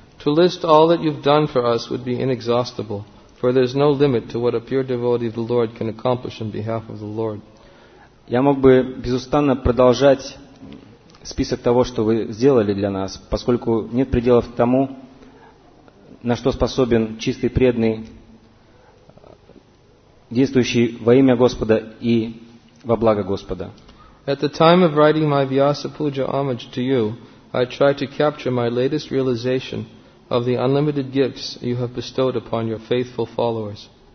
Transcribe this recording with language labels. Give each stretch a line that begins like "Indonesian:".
English: To list all that you've done for us would be inexhaustible, for there's no limit to what a pure devotee of the Lord can accomplish on behalf of the Lord.
Russian: Я мог бы безустанно продолжать список того, что вы сделали для нас, поскольку нет пределов тому, на что способен чистый преданный, действующий во имя Господа и во благо Господа.
English: At the time of writing my Vyasa Puja homage to you, I tried to capture my latest realization of the unlimited gifts you have bestowed upon your faithful followers.